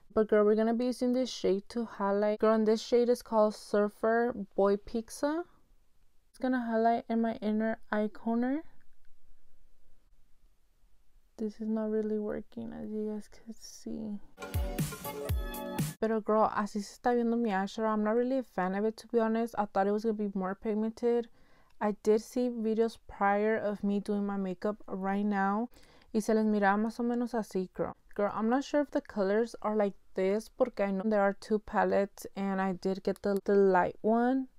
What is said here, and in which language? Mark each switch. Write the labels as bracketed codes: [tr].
[en] But, girl, we're gonna be using this shade to highlight. Girl, and this shade is called Surfer Boy Pizza. It's gonna highlight in my inner eye corner. This is not really working, as you guys can see. [es] Pero, girl, así se está viendo mi eyeshadow. [en] I'm not really a fan of it, to be honest. I thought it was gonna be more pigmented. I did see videos prior of me doing my makeup right now. [es] Y se les miraba más o menos así, [en] girl. Girl, I'm not sure if the colors are like this, [es] porque [en] I know there are two palettes, and I did get the light one.